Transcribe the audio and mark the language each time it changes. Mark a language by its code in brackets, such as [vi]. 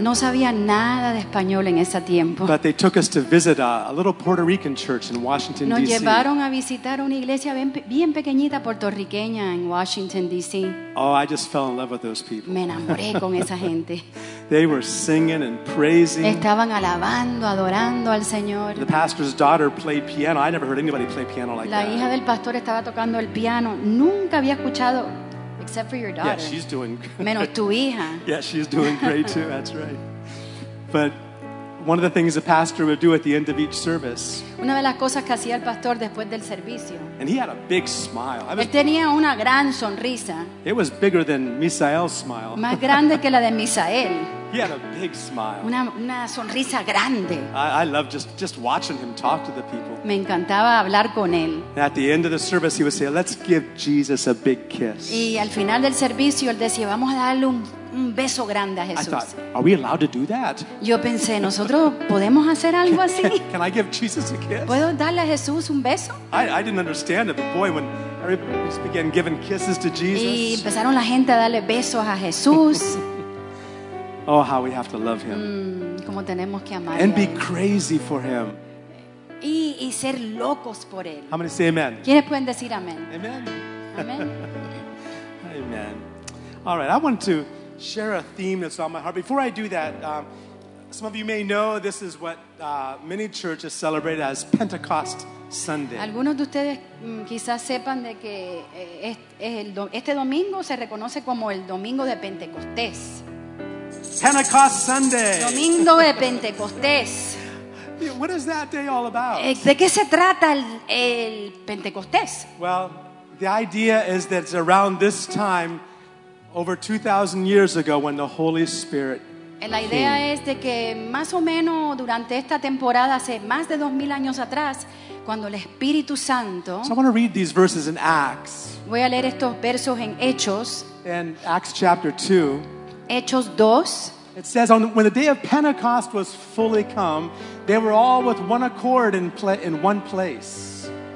[es] No sabía nada de español en ese tiempo. [en] But they took us to visit a little Puerto Rican church in Washington, D.C. [es] Nos llevaron a visitar una iglesia bien pequeñita puertorriqueña en Washington, D.C. [en] Oh, I just fell in love with those people. [es] Me enamoré con esa gente. [en] They were singing and praising. [es] Estaban alabando, adorando al Señor. [en] The pastor's daughter played piano. I never heard anybody play piano like [es] la [en] that. [es] La hija del pastor estaba tocando el piano. Nunca había escuchado, [en] except for your daughter. Yeah, she's doing great. [es] Menos tu hija. [en] Yeah, she's doing great too. That's right. But one of the things the pastor would do at the end of each service. [es] Una de las cosas que hacía el pastor después del servicio. [en] And he had a big smile. [es] Él tenía una gran sonrisa. [en] It was bigger than Misael's smile. [es] Más grande que la de Misael. [en] He had a big smile. [es] Una sonrisa grande. [en] I loved just watching him talk to the people. [es] Me encantaba hablar con él. [en] And at the end of the service, he would say, "Let's give Jesus a big kiss." [es] Y al final del servicio, él decía, "Vamos a darle un beso grande a Jesús." [en] I thought, "Are we allowed to do that?" [es] Yo pensé, ¿nosotros podemos hacer algo así? [en] Can I give Jesus a kiss? [es] ¿Puedo darle a Jesús un beso? [en] I didn't understand it, but boy, when everybody just began giving kisses to Jesus. [es] Y empezaron la gente a darle besos a Jesús. [en] Oh, how we have to love him. [es] Como tenemos que amar. [en] And be crazy for him. [es] Y ser locos por él. [en] How many say amen? [es] ¿Quiénes pueden decir amén? Amen. Amen. [en] Amen. All right, I want to share a theme that's on my heart. Before I do that, some of you may know this is what many churches celebrate as Pentecost Sunday. [es] Algunos de ustedes quizás sepan de que este domingo se reconoce como el domingo de Pentecostés. [en] Pentecost Sunday. [es] Domingo de Pentecostés. [en] What is that day all about? [es] ¿De qué se trata el Pentecostés? [en] Well, the idea is that it's around this time over 2000 years ago when the Holy Spirit came. [es] La idea es de que más o menos durante esta temporada hace más de 2000 años atrás cuando el Espíritu Santo. [en] So I want to read these verses in Acts. [es] Voy a leer estos versos en Hechos. [en] In Acts chapter 2. [es] Hechos 2. [en] It says, when the day of Pentecost was fully come, they were all with one accord in one place.